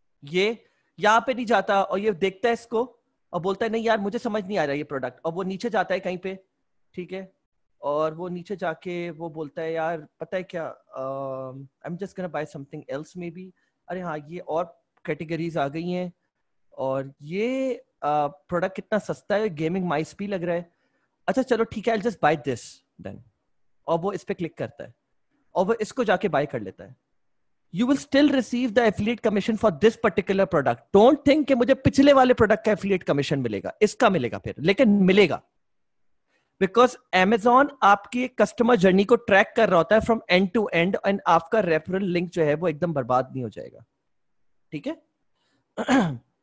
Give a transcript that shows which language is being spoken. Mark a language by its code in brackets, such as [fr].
[hi] ये, यहां पे नहीं जाता और ये देखता है इसको और बोलता है नहीं यार मुझे समझ नहीं आ रहा ये प्रोडक्ट, और वो नीचे जाता है कहीं पे, ठीक है, और वो नीचे जाके वो बोलता है यार पता है क्या, [en] I am just gonna buy something else maybe, [hi] अरे हाँ ये और कैटेगरीज आ गई हैं और ये प्रोडक्ट कितना सस्ता है, गेमिंग माइस भी लग रहा है, अच्छा चलो ठीक है [en] I just buy this then, [hi] और वो इस पर क्लिक करता है और वो इसको जाके बाय कर लेता है। [en] You will still receive the affiliate commission for this particular product. Don't think [hi] कि मुझे पिछले वाले product का affiliate commission मिलेगा, इसका मिलेगा फिर, लेकिन मिलेगा, because Amazon आपकी customer journey को track कर रहा होता है [en] from end to end and [hi] आपका referral link जो है वो एकदम बर्बाद नहीं हो जाएगा, ठीक है?